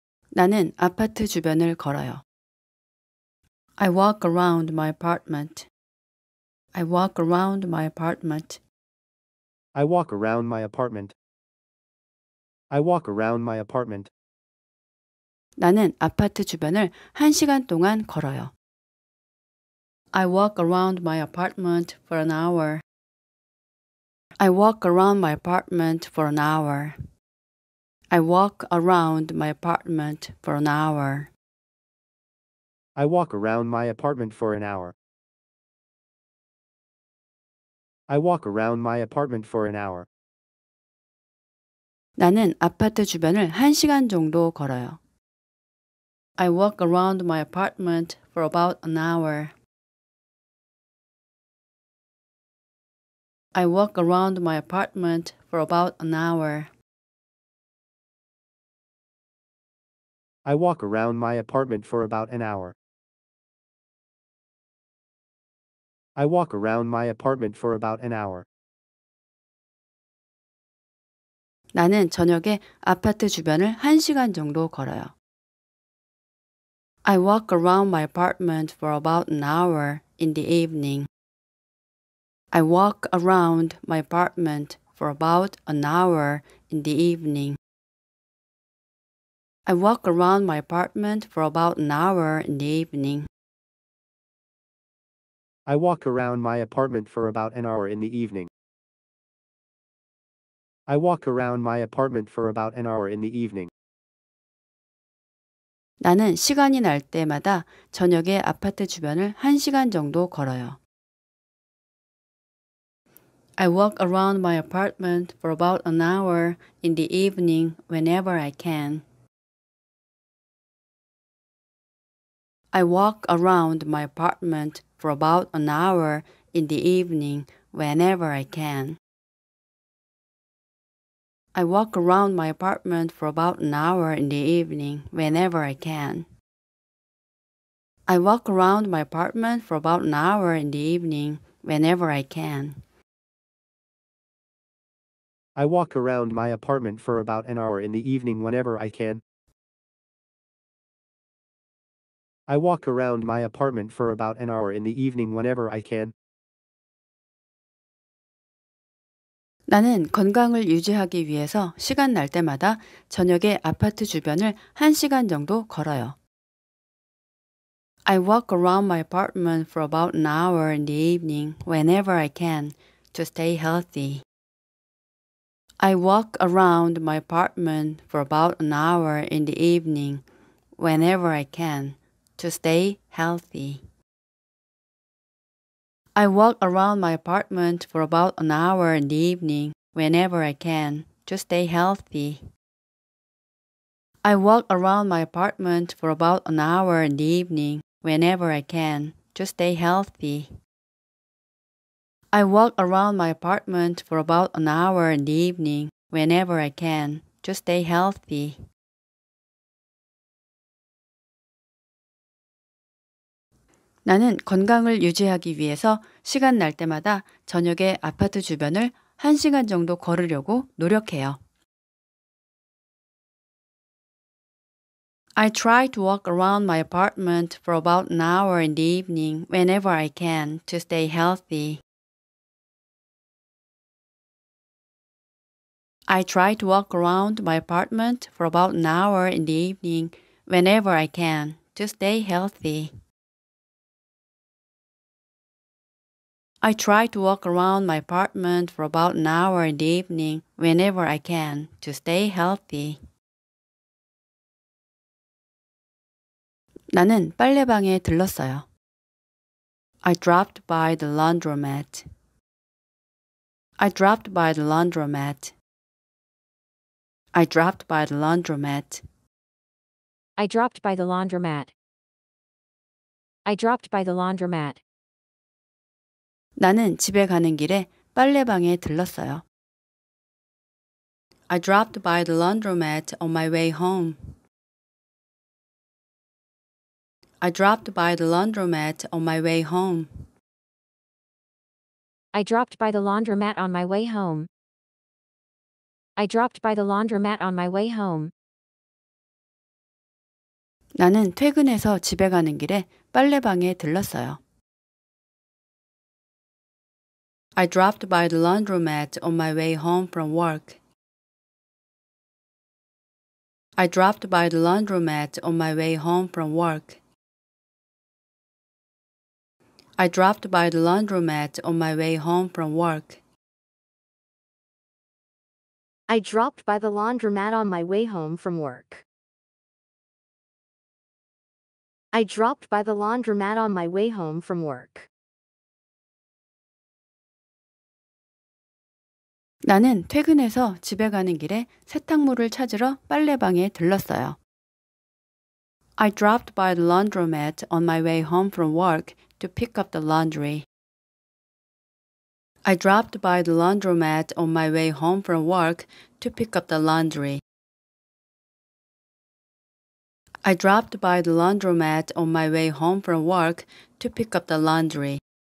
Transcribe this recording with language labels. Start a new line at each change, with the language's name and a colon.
Korean: 나는 아파트 주변을 걸어요.
English: I walk around my apartment. I walk around my apartment. I walk around my apartment. I walk around my apartment.
Korean: 나는 아파트 주변을 한 시간 동안 걸어요.
English: I walk around my apartment for an hour. I walk around my apartment for an hour. I walk around my apartment for an hour. I walk around my apartment for an hour. I walk around my apartment for an hour.
Korean: 나는 아파트 주변을 한 시간 정도 걸어요.
English: I walk around my apartment for about an hour. I walk around my apartment for about an hour. I walk around my apartment for about an hour. I walk around my apartment for about an hour.
Korean: 나는 저녁에 아파트 주변을 한 시간 정도 걸어요.
English: I walk around my apartment for about an hour in the evening. I walk around my apartment for about an hour in the evening. I walk around my apartment for about an hour in the evening. I walk around my apartment for about an hour in the evening. I walk around my apartment for about an hour in the evening.
Korean: 나는 시간이 날 때마다 저녁에 아파트 주변을 한 시간 정도 걸어요.
English: I walk around my apartment for about an hour in the evening whenever I can. I walk around my apartment for about an hour in the evening whenever I can. I walk around my apartment for about an hour in the evening whenever I can. I walk around my apartment for about an hour in the evening whenever I can. I walk around my apartment for about an hour in the evening whenever I can. I walk around my apartment for about an hour in the evening whenever I can.
Korean: 나는 건강을 유지하기 위해서 시간 날 때마다 저녁에 아파트 주변을 한 시간 정도 걸어요.
English: I walk around my apartment for about an hour in the evening whenever I can to stay healthy. I walk around my apartment for about an hour in the evening whenever I can to stay healthy. I walk around my apartment for about an hour in the evening whenever I can to stay healthy. I walk around my apartment for about an hour in the evening whenever I can to stay healthy. I walk around my apartment for about an hour in the evening whenever I can to stay healthy.
Korean: 나는 건강을 유지하기 위해서 시간 날 때마다 저녁에 아파트 주변을 한 시간 정도 걸으려고 노력해요.
English: I try to walk around my apartment for about an hour in the evening whenever I can to stay healthy. I try to walk around my apartment for about an hour in the evening whenever I can to stay healthy. I try to walk around my apartment for about an hour in the evening whenever I can to stay healthy.
Korean: 나는 빨래방에 들렀어요.
English: I dropped by the laundromat. I dropped by the laundromat. I dropped by the laundromat. I dropped by the laundromat. I dropped by the laundromat.
Korean: 나는 집에 가는 길에 빨래방에 들렀어요.
English: I dropped by the laundromat on my way home. I dropped by the laundromat on my way home. I dropped by the laundromat on my way home. I dropped by the laundromat on my way home.
Korean: 나는 퇴근해서 집에 가는 길에 빨래방에 들렀어요.
English: I dropped by the laundromat on my way home from work. I dropped by the laundromat on my way home from work. I dropped by the laundromat on my way home from work. I dropped by the laundromat on my way home from work. I dropped by the laundromat on my way home from work.
Korean: 나는 퇴근해서 집에 가는 길에 세탁물을 찾으러 빨래방에 들렀어요.
English: I dropped by the laundromat on my way home from work to pick up the laundry. I dropped by the laundromat on my way home from work to pick up the laundry. I dropped by the laundromat on my way home from work to pick up the laundry.